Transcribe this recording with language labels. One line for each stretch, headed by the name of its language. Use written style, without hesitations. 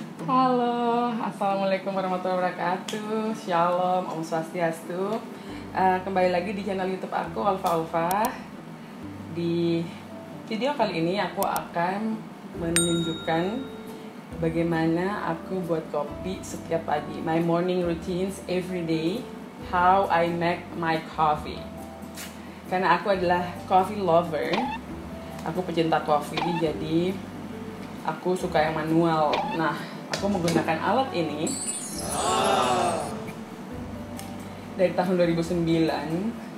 Indonesian: Halo, assalamualaikum warahmatullahi wabarakatuh. Shalom, Om Swastiastu. Kembali lagi di channel YouTube aku, Alfa Alfa. Di video kali ini aku akan menunjukkan bagaimana aku buat kopi setiap pagi.
English: My morning routines every day, how I make my coffee.
Indonesian: Karena aku adalah coffee lover, aku pecinta kopi, jadi aku suka yang manual. Nah, aku menggunakan alat ini dari tahun 2009.